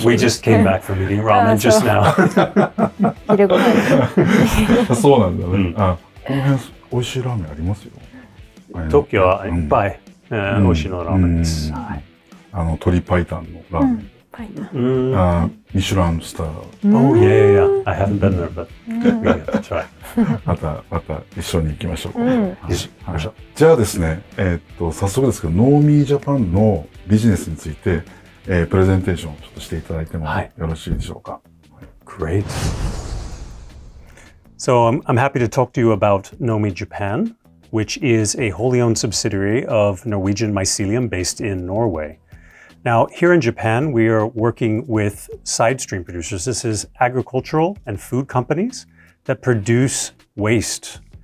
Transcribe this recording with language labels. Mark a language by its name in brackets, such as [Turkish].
[English] We just came back from eating ramen just now. [Japanese] 昼ごはん。そうなんだね。あ、この辺美味しいラーメンありますよ。東京はいっぱい美味しいのラーメンです。鶏白湯のラーメン。うん、ミシュランスター。 [English] Oh yeah, yeah. I haven't been there, but we have to try. [Japanese] また一緒に行きましょう。よし、行きましょう。じゃあですね、早速ですけど、NoMy Japan のビジネスについて、プレゼンテーションをちょっとしていただいてもよろしいでしょうか。 [English] Great. So I'm happy to talk to you about NoMy Japan, which is a wholly owned subsidiary of Norwegian Mycelium based in Norway. Now, here in Japan, we are working with side stream producers. This is agricultural and food companies that produce waste.